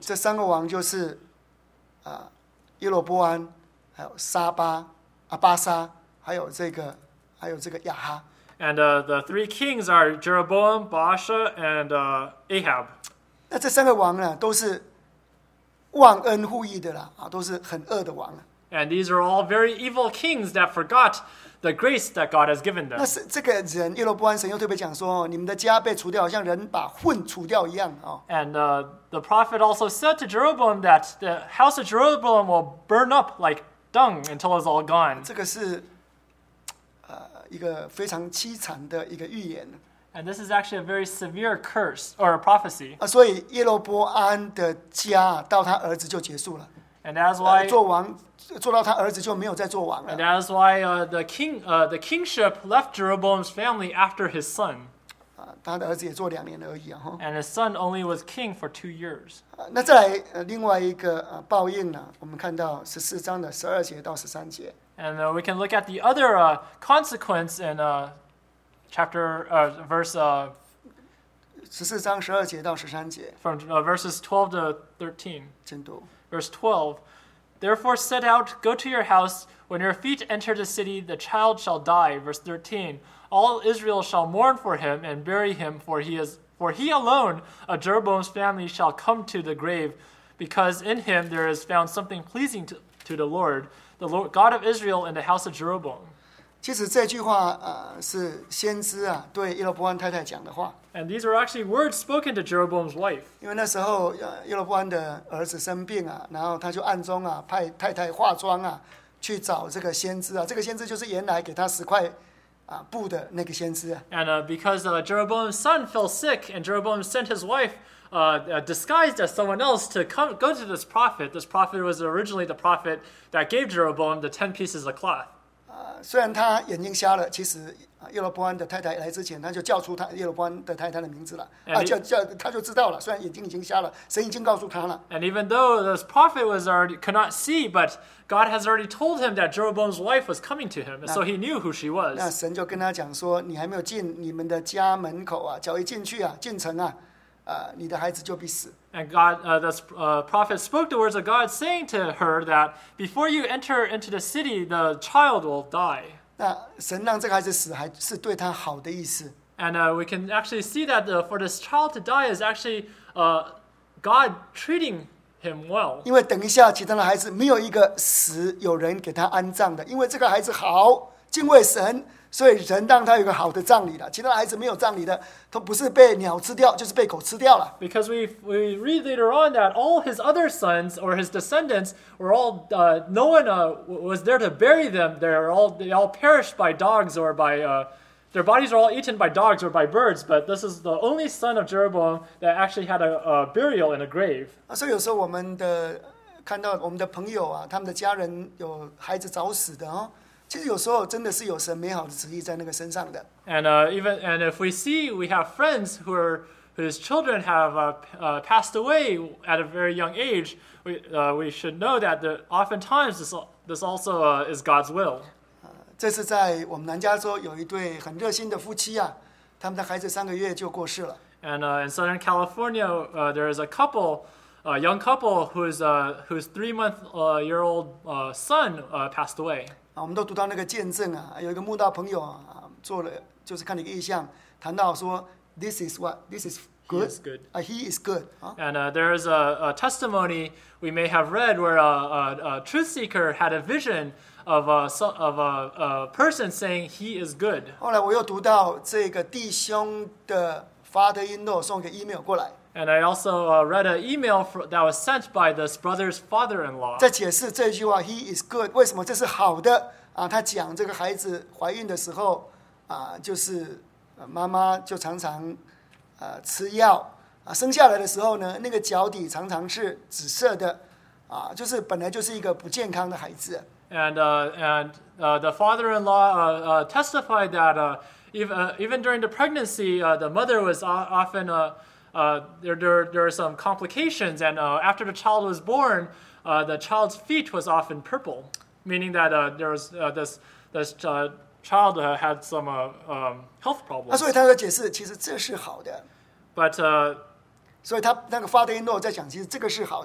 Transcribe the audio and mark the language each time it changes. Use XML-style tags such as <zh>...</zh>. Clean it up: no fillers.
<zh>这三个王就是耶罗波安，还有沙巴、阿巴沙，还有这个亚哈。</zh> <en>And the three kings are Jeroboam, Baasha, and Ahab.</en> <zh>那这三个王呢，都是忘恩负义的啦，都是很恶的王。</zh> <en>And these are all very evil kings that forgot the grace that God has given them.</en> <zh>那是这个人耶罗波安，神又特别讲说，你们的家被除掉，好像人把粪除掉一样。</zh> <en>And the prophet also said to Jeroboam that the house of Jeroboam will burn up like dung until it's all gone.</en> <zh>这个是一个非常凄惨的一个预言。</zh> <en>And this is actually a very severe curse or a prophecy.</en> <zh>所以耶罗波安的家到他儿子就结束了。</zh> <en>And that's why</en> <zh>做王做到他儿子就没有再做王了。</zh> <en>And that's why the kingship left Jeroboam's family after his son.</en> <zh>他的儿子也做两年而已啊。</zh> <en>And his son only was king for 2 years.</en> <zh>那再来另外一个报应呢？我们看到十四章的十二节到十三节。</zh> <en>And we can look at the other consequence in chapter verse</en> <zh>十四章十二节到十三节。</zh> <en>From verses 12 to 13.</en> <zh>请读。</zh> <en>Verse 12, therefore set out, go to your house. When your feet enter the city, the child shall die. Verse 13, all Israel shall mourn for him and bury him, for he alone, of Jeroboam's family, shall come to the grave, because in him there is found something pleasing to the Lord, the Lord, God of Israel, in the house of Jeroboam.</en> <zh>其实这句话是先知啊对耶罗波安太太讲的话。</zh> <en>And these were actually words spoken to Jeroboam's wife.</en> <zh>因为那时候耶罗波安的儿子生病啊，然后他就暗中啊派太太化妆啊去找这个先知啊，这个先知就是原来给他十块布的那个先知啊。</zh> <en>And because Jeroboam's son fell sick, and Jeroboam sent his wife disguised as someone else to come go to this prophet. This prophet was originally the prophet that gave Jeroboam the 10 pieces of cloth.</en> <zh>虽然他眼睛瞎了，其实耶罗波安的太太来之前，他就叫出他耶罗波安的太太的名字了，他就知道了。虽然眼睛已经瞎了，神已经告诉他了。</zh> <en>And even though this prophet was already could not see, but God has already told him that Jeroboam's wife was coming to him, so he knew who she was.</en> <zh>那神就跟他讲说：“你还没有进你们的家门口啊，脚一进去啊，进城啊。” 你的孩子就必死。</zh> <en>And God, prophet spoke the words of God, saying to her that before you enter into the city, the child will die.</en> <zh>那神让这个孩子死，还是对他好的意思。</zh> <en>And we can actually see that for this child to die is actually God treating him well.</en> <zh>因为等一下其他的孩子没有一个死有人给他安葬的，因为这个孩子好敬畏神，所以人让他有个好的葬礼了。其他的孩子没有葬礼的，都不是被鸟吃掉，就是被狗吃掉了。</zh> <en>Because we read later on that all his other sons or his descendants were all no one was there to bury them. They all perished by dogs or by their bodies were all eaten by dogs or by birds. But this is the only son of Jeroboam that actually had a burial in a grave.</en> <zh>所以有时候我们的看到我们的朋友啊，他们的家人有孩子早死的哦。其实有时候真的是有神美好的旨意在那个身上的。</zh> <en>And if we see we have friends whose children have passed away at a very young age, we should know that oftentimes this also is God's will.</en> <zh>这是在我们南加州有一对很热心的夫妻啊，他们的孩子三个月就过世了。</zh> <en>And in Southern California, there is a couple. A young couple whose 3 month year old son passed away.</en> <zh>我们都读到那个见证啊，有一个慕道朋友啊，做了就是看了一个异象，谈到说 ，</zh> <en>this is what this is good. He is good. He is good. And there is a testimony we may have read where a truth seeker had a vision of a person saying he is good.</en> <zh>后来我又读到这个弟兄的 father-in-law 送一个 email 过来。</zh> <en>And I also read an email that was sent by this brother's father-in-law.</en> <zh>在解释这句话 ，</zh> <en>He is good.</en> <zh>为什么这是好的啊？他讲这个孩子怀孕的时候啊，就是妈妈就常常吃药啊。生下来的时候呢，那个脚底常常是紫色的啊，就是本来就是一个不健康的孩子。</zh> <en>And the father-in-law testified that even during the pregnancy, the mother was often there are some complications, and after the child was born, the child's feet was often purple, meaning that there was this child had some health problems.</en> <zh>所以他在解释，其实这是好的。</zh> <en>But</en> <zh>所以他那个 father-in-law 在讲，其实这个是好。</zh>